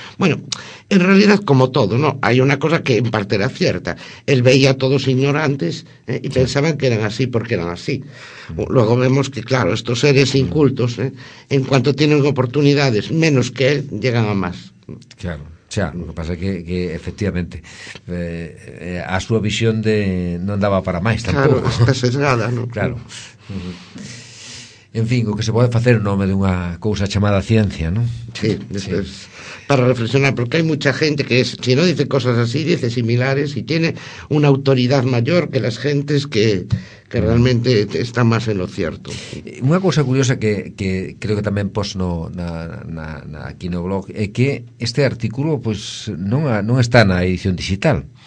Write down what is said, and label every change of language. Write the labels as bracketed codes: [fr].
[es] Bueno, en realidad, como todo, ¿no? Hay una cosa que en parte era cierta. Él veía a todos ignorantes y pensaban que eran así porque eran así. Luego vemos que, claro, estos seres incultos, en cuanto tienen oportunidades menos que él, llegan a más. Claro. [gl] Xa, o que pasa é que efectivamente a súa visión de non daba para máis tampouco. [es] Claro, está sesgada, ¿no? Claro. [gl] En fin, o que se pode facer en nome de unha cousa chamada ciencia, ¿no? [es] Sí, para reflexionar, porque hai mucha gente que es, si no dice cosas así, dice similares y tiene una autoridad mayor que las gentes que realmente está más en lo cierto. [gl] Unha cousa curiosa que creo que tamén pos no na aquí no blog é que este artículo pues non está na edición digital.